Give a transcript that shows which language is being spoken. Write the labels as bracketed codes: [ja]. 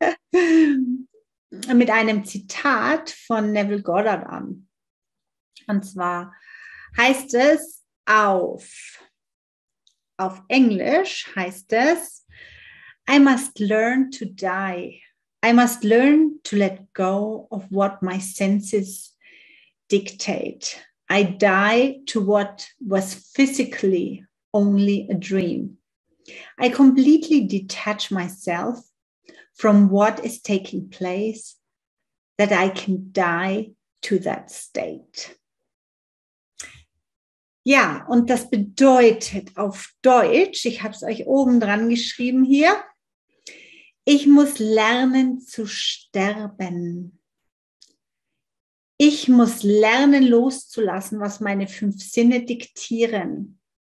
[de] Mit einem Zitat von Neville Goddard an. Und zwar heißt es auf Englisch heißt es, [en] I must learn to die. I must learn to let go of what my senses dictate. I die to what was physically only a dream. I completely detach myself from what is taking place, that I can die to that state. [de] Ja, und das bedeutet auf Deutsch, ich habe es euch oben dran geschrieben hier, ich muss lernen zu sterben. Ich muss lernen loszulassen, was meine fünf Sinne diktieren.